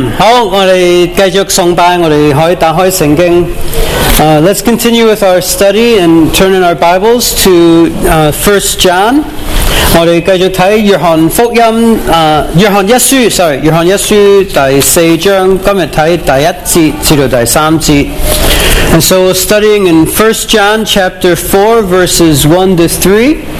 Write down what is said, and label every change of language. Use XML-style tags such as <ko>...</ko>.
<yue>好，我哋继续崇拜，我哋可以打开圣经。</yue> <en>Let's continue with our study and turn in our Bibles to First John.</en> <yue>我哋继续睇约翰福音，约翰一书第四章，今日睇第一节至到第三节。</yue> <en>And so we're studying in First John chapter 4 verses 1 to 3.</en>